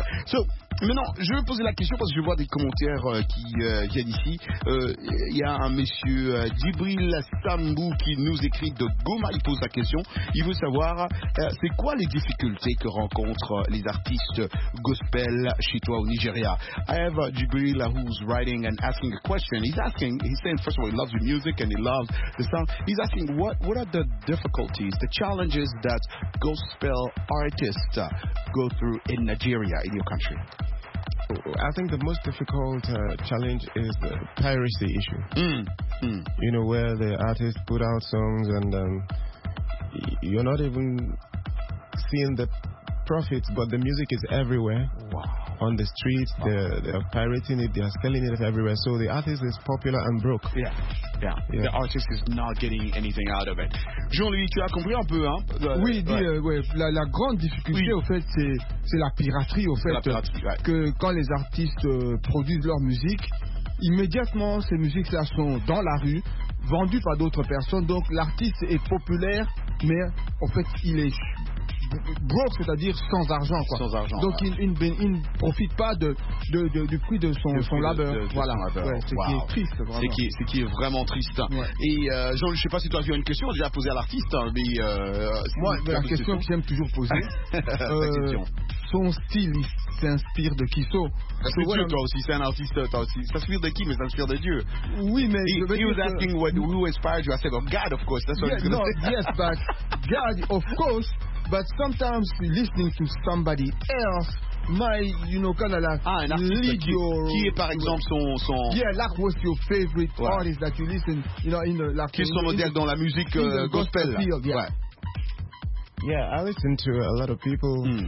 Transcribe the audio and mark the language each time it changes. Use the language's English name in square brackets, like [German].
[French] So, maintenant, je vais poser la question parce que je vois des commentaires qui viennent ici. Il y a un monsieur Djibril Sambou qui nous écrit de Goma. Il pose la question. Il veut savoir, c'est quoi les difficultés que rencontrent les artistes gospel chez toi au Nigeria? [English] I have Djibril who's writing and asking a question. He's asking, he's saying, first of all, he loves the music and he loves the sound. He's asking, what are the difficulties, the challenges that gospel artists go through in Nigeria? In your country, I think the most difficult challenge is the piracy issue. You know, where the artist put out songs and you're not even seeing the profits, but the music is everywhere. Wow. On the streets, wow. They're pirating it, they're selling it everywhere. So the artist is popular and broke. Yeah. Yeah. Yeah. The artist is not getting anything out of it. [French] Jean-Louis, tu as compris un peu, hein? Oui, ouais. La grande difficulté, oui. Au fait, c'est la piraterie, au fait. La piraterie, ouais. Que quand les artistes produisent leur musique, immédiatement, ces musiques-là sont dans la rue, vendues par d'autres personnes. Donc, l'artiste est populaire, mais en fait, il est broke, c'est-à-dire sans argent, quoi. Sans argent. Donc, ouais. Il ne profite pas du prix de son labeur. Voilà. Ouais, c'est qui est triste, vraiment. C'est qui est vraiment triste. Ouais. Et Jean, je ne sais pas si toi, tu as une question déjà posée à l'artiste, hein, mais moi, la question que j'aime toujours poser, son style, il s'inspire de qui? Toi aussi, c'est un artiste, toi aussi. Ça s'inspire de qui? Mais ça s'inspire de Dieu. Oui, mais. [English] He was asking who inspired you. I said, God, of course. That's what he's going to say. Yes, but God, of course. But sometimes listening to somebody else might, you know, kind of like lead your... [French] Qui est, par exemple, son... [English] Yeah, like what's your favorite artist that you listen, you know, in the... Like, [French] qui est son modèle dans la musique gospel? [English] Field, yeah. Right. Yeah, I listen to a lot of people.